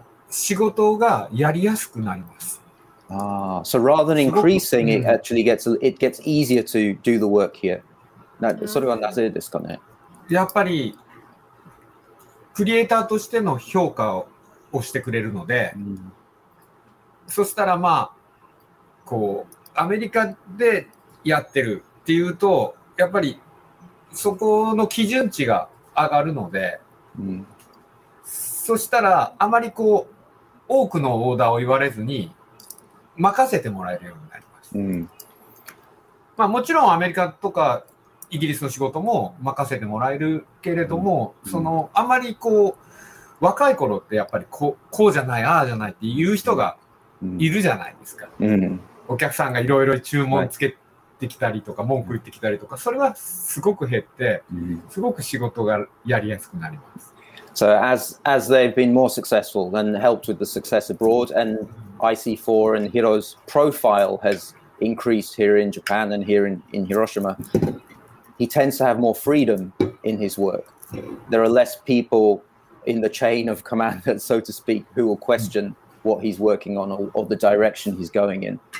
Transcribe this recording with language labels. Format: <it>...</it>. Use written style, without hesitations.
<ja>仕事がやりやすくなります。</ja> <en>So rather than increasing, it actually gets easier to do the work here.</en> <ja>それはなぜですかね。やっぱり、クリエイターとしての評価をしてくれるので、そしたらまあこうアメリカでやってるっていうとやっぱりそこの基準値が上がるので、そしたらあまりこう多くのオーダーを言われずに任せてもらえるようになります。まあもちろんアメリカとかイギリスの仕事も任せてもらえるけれども、そのあまりこう若い頃ってやっぱりこうじゃないああじゃないっていう人がいるじゃないですか。お客さんがいろいろ注文つけてきたりとか文句言ってきたりとか、それはすごく減って、すごく仕事がやりやすくなります。</ja> <en>So as they've been more successful and helped with the success abroad, and IC4 and Hiro's profile has increased here in Japan and here in Hiroshima, he tends to have more freedom in his work. There are less people in the chain of command, so to speak, who will question what he's working on or the direction he's going in.</en>